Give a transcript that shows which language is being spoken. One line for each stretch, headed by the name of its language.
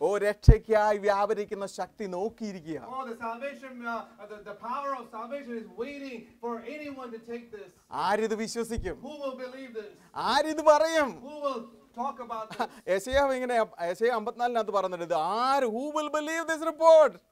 Malayalam: Oh, രക്ഷയ്ക്കായി വ്യാപരിക്കുന്ന ശക്തി നോക്കിയിരിക്കുക.
English: Oh, the salvation, the power of salvation is waiting for anyone to take this.
Malayalam: ആരിത് വിശ്വസിക്കും?
English: Who will believe this?
Malayalam: ആരിത് പറയും?
English: Who will talk about this?
Malayalam: യെശയ്യാവ് ഇങ്ങനെ യെശയ്യാ 54 നകത്ത് പറഞ്ഞിട്ടുണ്ട്, ആര്,
English: who will believe this report?